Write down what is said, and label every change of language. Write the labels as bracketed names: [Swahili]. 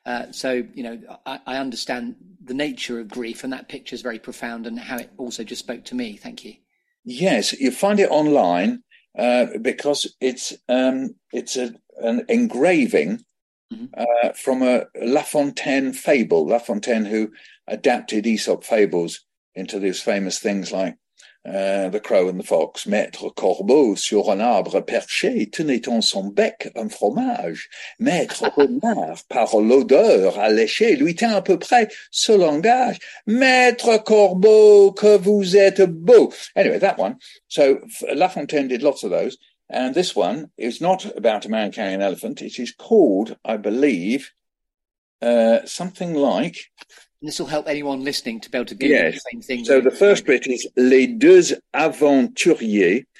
[English] So, you know, I understand the nature of grief, and that picture is very profound, and how it also just spoke to me. Thank you. Yes, you find it online because it's an engraving from a La Fontaine fable. La Fontaine, who adapted Aesop fables into these famous things like the crow and the fox, [French] maître corbeau sur un arbre perché tenait en son bec un fromage, maître renard par l'odeur alléché lui tient à peu près ce langage, maître corbeau que vous êtes beau. [English] Anyway, that one. So La Fontaine did lots of those, and this one is not about a man carrying an elephant. It is called, I believe, something like... This will help anyone listening to be able to do the same thing. So the first bit is Les Deux Aventuriers.